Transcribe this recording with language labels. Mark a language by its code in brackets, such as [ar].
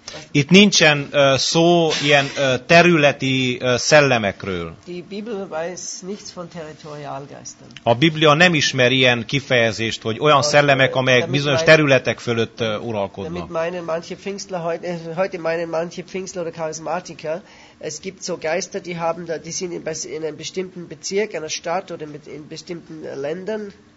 [hu] Itt nincsen szó ilyen területi szellemekről. [de] Die Bibel weiß nichts von Territorialgeistern. [hu] A Biblia nem ismer ilyen kifejezést, hogy olyan szellemek, amelyek bizonyos területek fölött uralkodnak. [de] Damit meinen manche Pfingstler heute meinen manche Pfingstler oder Charismatiker, es gibt so Geister, die sind in einem bestimmten Bezirk, einer Stadt oder in bestimmten Ländern.